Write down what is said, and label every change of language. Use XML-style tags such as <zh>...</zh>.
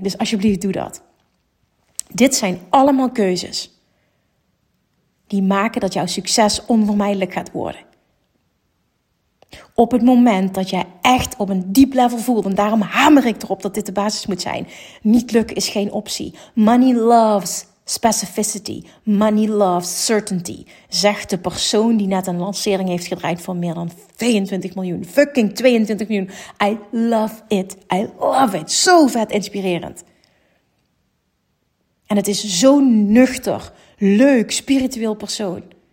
<nl>Dus alsjeblieft, doe dat. Dit zijn allemaal keuzes die maken dat jouw succes onvermijdelijk gaat worden. Op het moment dat jij echt op een diep level voelt, en daarom hamer ik erop dat dit de basis moet zijn. Niet lukken is geen optie.</nl> <en>Money loves specificity. Money loves certainty.</en> <nl>Zegt de persoon die net een lancering heeft gedraaid voor meer dan 22 miljoen.</nl> <en>Fucking 22 miljoen. I love it. I love it.</en> <nl>Zo vet inspirerend. En het is zo'n nuchter, leuk, spiritueel persoon.</nl>